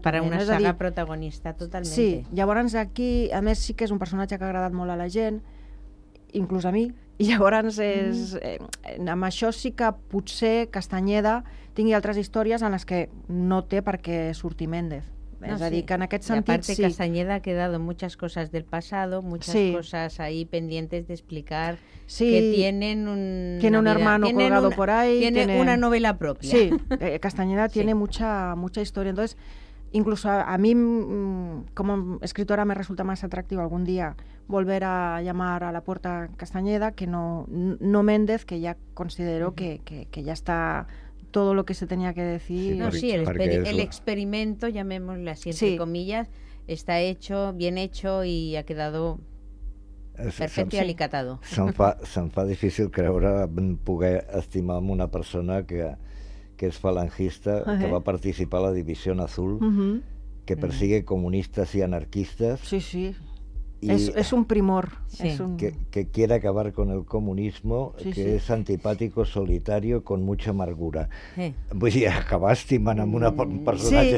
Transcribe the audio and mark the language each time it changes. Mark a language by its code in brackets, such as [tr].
[ca] Queda per a una saga, dir, protagonista, totalment. Sí, llavors aquí, a més, sí que és un personatge que ha agradat molt a la gent, inclús a mi. I llavors, amb això sí que potser Castanyeda tingui altres històries en les que no té perquè surti Méndez. No, és a dir, que en aquest sentit... I a part, sí. [es] Castanyeda ha quedado muchas cosas del pasado, muchas cosas ahí pendientes de explicar, sí. Que tienen un... Tiene un hermano colgado por ahí. Tiene una novela propia. Sí, Castanyeda tiene mucha historia. Entonces, incluso a mí, como escritora, me resulta más atractivo algún día... volver a llamar a la puerta Castañeda, que no Méndez, que ya considero que ya está todo lo que se tenía que decir. Sí, el experimento, llamémoslo así, entre comillas, está hecho, bien hecho y ha quedado perfecto y alicatado. [ca] Se'm fa difícil creure poder estimar amb una persona que és falangista, que va participar a la División Azul, que persigue comunistes i anarquistes. [es] Sí, sí. Es un primor. Sí. Que quiere acabar con el comunismo, sí, que es antipático, solitario, con mucha amargura. Sí. [ca] Vull dir, acabar estimant amb una personatge